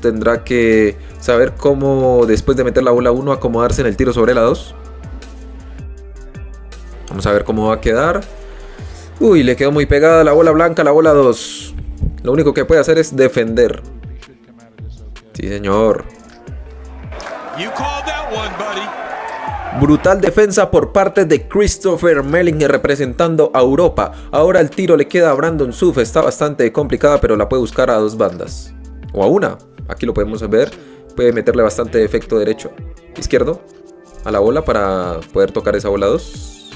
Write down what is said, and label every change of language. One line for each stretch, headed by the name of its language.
Spanish: Tendrá que saber cómo, después de meter la bola 1, acomodarse en el tiro sobre la 2. Vamos a ver cómo va a quedar. Uy, le quedó muy pegada la bola blanca, la bola 2. Lo único que puede hacer es defender. Sí, señor.
English: You called that one, buddy.
Spanish: Brutal defensa por parte de Christopher Melling representando a Europa. Ahora el tiro le queda a Brandon Schuff. Está bastante complicada, pero la puede buscar a 2 bandas. O a 1. Aquí lo podemos ver. Puede meterle bastante efecto derecho, izquierdo a la bola para poder tocar esa bola 2.